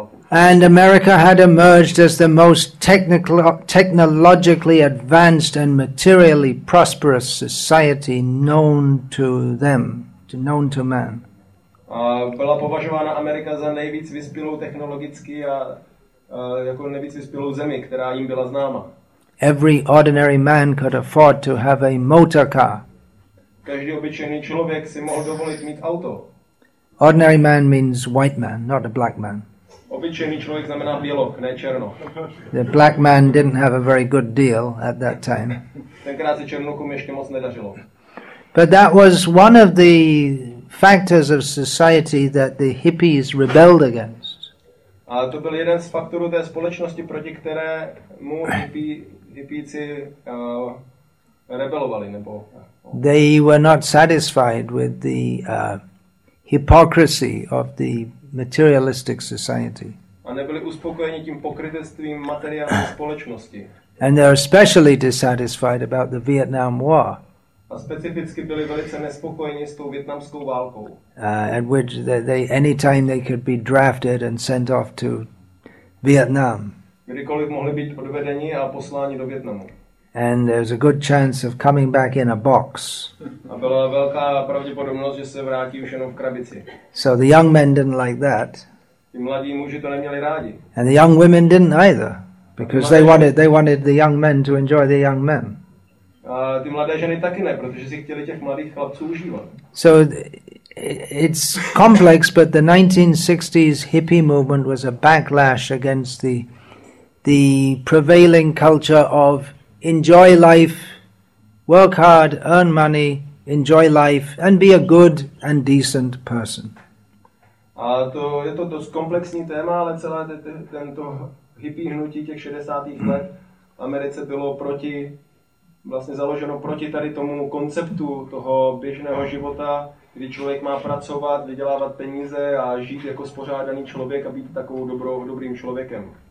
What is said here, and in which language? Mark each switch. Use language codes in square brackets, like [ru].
[en] And America had emerged as the most technologically advanced and materially prosperous society known to them, known to man. [cs] Byla považována Amerika za nejvíc vyspělou technologicky a jako nejvíc vyspělou zemi, která jim byla známa. [en] Every ordinary man could afford to have a motor car. [cs] Každý obyčejný člověk si mohl dovolit mít auto. [en] Ordinary man means white man, not a black man. [cs] Obyčejný člověk znamená bílok, ne černo. [en] The black man didn't have a very good deal at that time. [cs] Tenkrát se černokům ještě moc nedařilo. [en] But that was one of the factors of society that the hippies rebelled against. [cs] A to byl jeden z faktorů té společnosti, proti které mu hippíci rebelovali, nebo. [en] They were not satisfied with the hypocrisy of the materialistic society. [cs] A nebyli uspokojeni tím pokrytectvím materiální společnosti. [en] And they're especially dissatisfied about the Vietnam War. [cs] A specificky byli velice nespokojeni s tou vietnamskou válkou. [en] At which they any time they could be drafted and sent off to Vietnam. [cs] Kdykoliv mohli být odvedeni a posláni do Vietnamu. [en] And there's a good chance of coming back in a box. [cs] A byla velká pravděpodobnost, že se vrátí už jenom v krabici. [en] So the young men didn't like that. [cs] Ti mladí muži to neměli rádi. [en] And the young women didn't either, because they wanted the young men to enjoy the young men. [cs] A ty mladé ženy taky ne, protože si chtěli těch mladých chlapců užívat. [en] So it's complex, but the 1960s hippie movement was a backlash against the prevailing culture of enjoy life, work hard, earn money, enjoy life, and be a good and decent person. [cs] A to je to dost komplexní téma, ale celé tento hippie hnutí těch 60. let v Americe bylo proti, vlastně založeno proti tady tomu konceptu toho běžného života, kdy člověk má pracovat, vydělávat peníze a žít jako spořádaný člověk a být takovou dobrým člověkem.